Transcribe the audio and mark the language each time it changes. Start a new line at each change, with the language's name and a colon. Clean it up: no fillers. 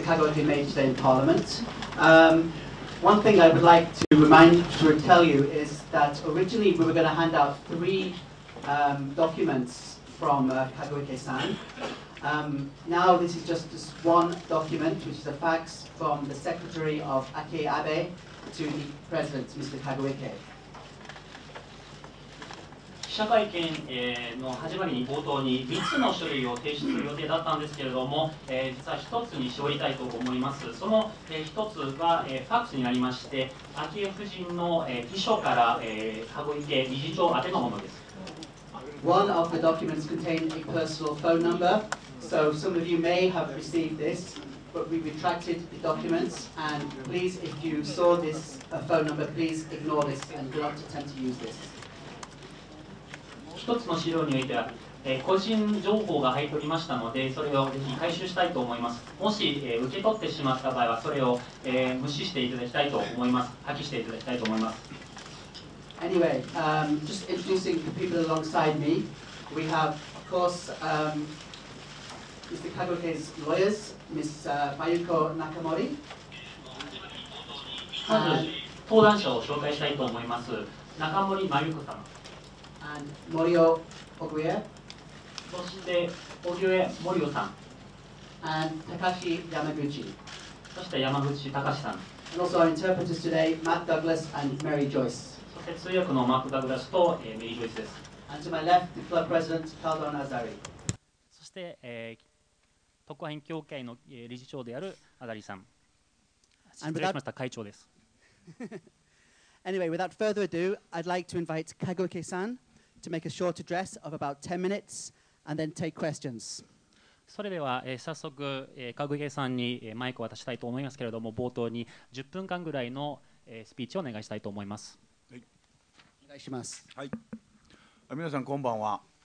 English: Kagoike made today in Parliament. One thing I would like to remind you to tell you is that originally we were going to hand out three documents from Kagoike-san. Now this is just one document, which is a fax from the secretary of Akie Abe to the president, Mr. Kagoike.
Japanese: 記者会見の始まりに冒頭に3つの書類を提出する予定だったんですけれども、実は1つに絞りたいと思います。その1つはファックスになりまして、昭恵夫人の秘書から Kagoike理事長宛てのものです。
English: One of the documents contained a personal phone number, so some of you may have received this, but we retracted the documents, and please, if you saw this phone number, please ignore this and do not attempt to use this.
Japanese: 一つの資料については、個人情報が入っておりましたので、それをぜひ回収したいと思います。もし、受け取ってしまった場合は、それを、無視していただきたいと思います。破棄していただきたいと思います。
English: Anyway, just introducing the people alongside me. We have, of course, Mr. Kagoike's lawyers, Ms. Mayuko Nakamori.
Japanese: 登壇者を紹介したいと思います。中森真由子様。
English: And Morio Oguye.
Japanese: そして、Oguye Morio さん。
English: And Takashi Yamaguchi.
Japanese: そして、山口隆さん。
English: And also our interpreters today, Matt Douglas and Mary Joyce.
Japanese: 通訳のマーク・ダグラスとメリー・ジョイスです。
English: And to my left, the club president, Carlo Nazari.
Japanese: そして、特派員協会の理事長であるアザリさん。失礼しました、会長です。
English: Anyway, without further ado, I'd like to invite Kagoike-san to make a short address of about 10 minutes and then take questions.
Japanese: それでは、早速、Kagoike-san にマイクを渡したいと思いますけれども、冒頭に10分間ぐらいの、スピーチをお願いしたいと思います。お願いします。はい。皆さんこんばんは。